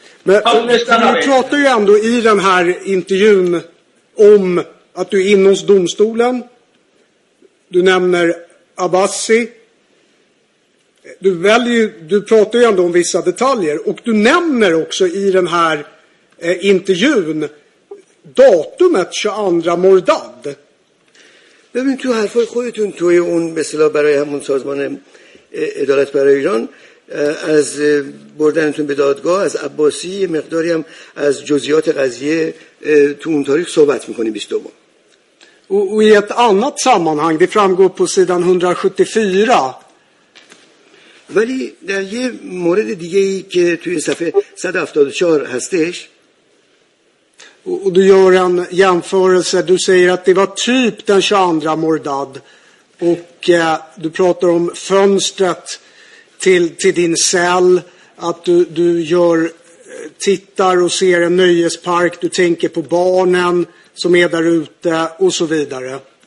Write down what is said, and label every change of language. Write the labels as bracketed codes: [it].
[sv] Men du pratar ju ändå i den här intervjun om att du är inne hos domstolen. Du nämner Abbasi. Du pratar ju ändå om vissa detaljer och du nämner också i den här intervjun datumet 22 mordad. [fa] ببین تو حرفای خودتون توی اون به اصطلاح برای همون سازمان عدالت برای ایران از بردنتون به دادگاه از عباسی مقداری هم از جزئیات قضیه تو اون تاریخ صحبت میکنیم. 22 [sv] و i ett annat sammanhang, det framgår på sidan 174. [fa] ولی در یه مورد دیگه ای که توی صفحه 174 هستش [sv] و du gör en jämförelse, du säger att det var typ den 22 mordad och du pratar om fönstret till din cell, att du gör, tittar och ser en nöjespark, du tänker på barnen som är där ute och så vidare.